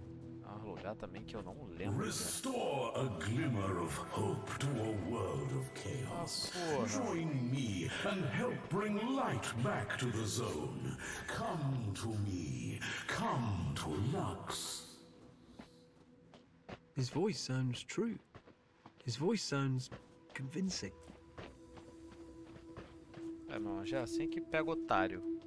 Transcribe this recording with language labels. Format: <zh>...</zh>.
<pt>Melhor lugar também que eu não lembro.</pt> <en>Restore a glimmer of hope to a world of chaos. Join me and help bring light back to the zone. Come to me. Come to Lux. His voice sounds true. His voice sounds convincing.</en> <pt>É, mano, já assim que pega otário.</pt>